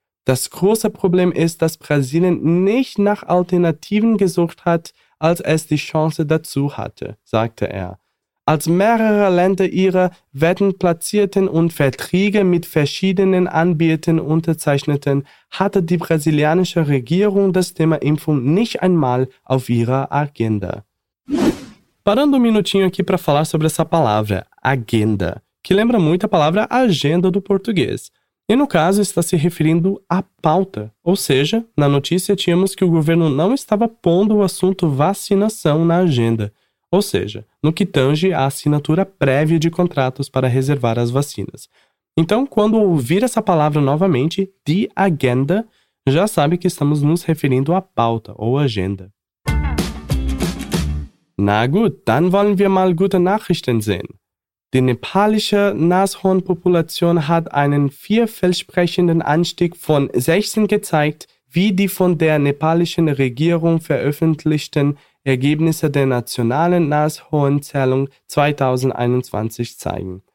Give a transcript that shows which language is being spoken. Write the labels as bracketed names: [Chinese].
[German] Das große Problem ist, dass Brasilien nicht nach Alternativen gesucht hat, als es die Chance dazu hatte, sagte er. Als mehrere Länder ihre Wetten platzierten und Verträge mit verschiedenen Anbietern unterzeichneten, hatte die brasilianische Regierung das Thema Impfung nicht einmal auf ihrer Agenda. [Portuguese] Parando um minutinho aqui para falar sobre essa palavra, agenda, que lembra muito a palavra agenda do português. E no caso está se referindo à pauta, ou seja, na notícia tínhamos que o governo não estava pondo o assunto vacinação na agenda. Ou seja, no que tange à assinatura prévia de contratos para reservar as vacinas. Então, quando ouvir essa palavra novamente, [English] the agenda, [Portuguese] já sabe que estamos nos referindo à pauta ou agenda. [German] Na gut, dann wollen wir mal gute Nachrichten sehen. Die nepalische Nashornpopulation hat einen vielversprechenden Anstieg von 16 gezeigt, wie die von der nepalischen Regierung veröffentlichten Ergebnisse der nationalen Nashornzählung 2021 zeigen.